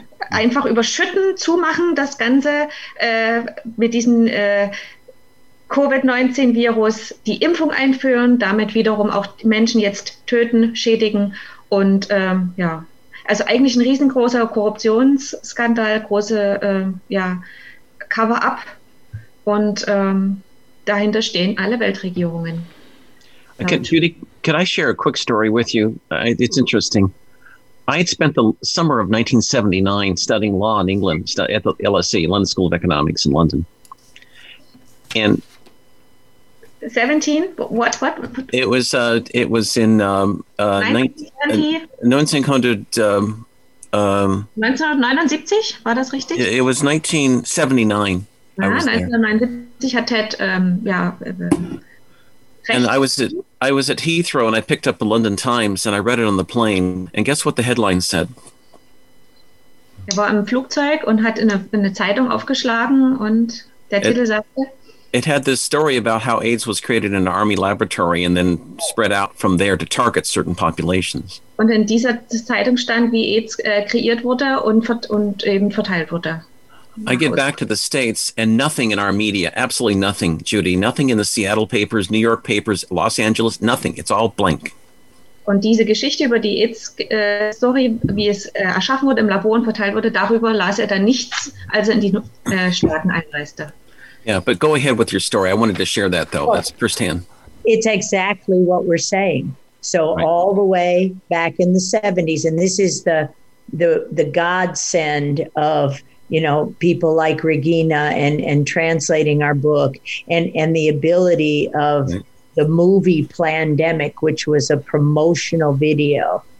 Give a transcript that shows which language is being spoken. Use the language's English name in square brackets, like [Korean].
[German] einfach überschütten, zumachen, das Ganze mit diesem Covid-19-Virus die Impfung einführen, damit wiederum auch Menschen jetzt töten, schädigen und ja, also eigentlich ein riesengroßer Korruptionsskandal, große Cover-up und dahinter stehen alle Weltregierungen. [English] Judy, can I share a quick story with you? It's interesting. I had spent the summer of 1979 studying law in England at the LSE, London School of Economics in London. And 17? What? I was at Heathrow and I picked up the London Times and I read it on the plane. And guess what the headline said? [German] Er war im Flugzeug und hat in eine Zeitung aufgeschlagen und der Titel sagte. [English] It had this story about how AIDS was created in an army laboratory and then spread out from there to target certain populations. [German] Und in dieser Zeitung stand, wie AIDS kreiert wurde und eben verteilt wurde. [English] I get back to the States and nothing in our media, absolutely nothing, Judy, nothing in the Seattle papers, New York papers, Los Angeles, nothing. It's all blank. [German] Und diese Geschichte über die AIDS-Story, wie es erschaffen wurde, im Labor und verteilt wurde, darüber las er dann nichts, als er in die Staaten einreiste. [English] Yeah, but go ahead with your story. I wanted to share that, though. That's firsthand. It's exactly what we're saying. So right. All the way back in the 70s, and this is the godsend of, you know, people like Regina and translating our book and the ability of the movie Plandemic, which was a promotional video.